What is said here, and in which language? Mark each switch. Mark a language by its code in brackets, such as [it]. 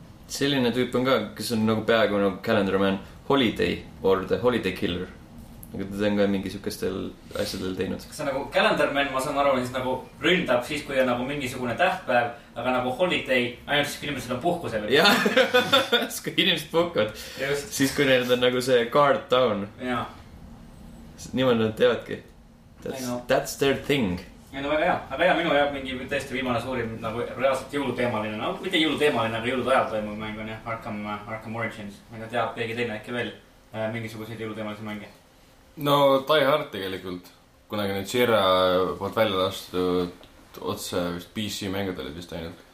[et] Selline tüüp on ka, kes on nagu peaaegu nagu Calendar Man Holiday or the Holiday Killer. Aga ta on ka mingi sellistel asjadel teinud. See nagu Calendar Man, ma saan aru, siis nagu ründab siis, kui on nagu mingisugune tähtpäev, aga nagu holiday, ainult siis, kui inimesed on puhkusel. Jah, siis kui inimesed puhkavad. Just. Siis kui neil on nagu see [en] guard down. [et] Jah. Niimoodi nad teevadki. [en] That's their thing. [et] Ei, no väga hea, aga hea, minu jääb mingi tõesti viimane suurim nagu reaalselt jõuluteemaline, no mitte jõuluteemaline, aga jõulud ajal toimub mäng on, jah, Arkham Origins. Aga teab keegi teine äkki veel mingisuguseid jõuluteemalise mänge? No Die Hard tegelikult, kunagi nüüd Sierra poolt välja lastud otse vist PC mängud olid vist ainult.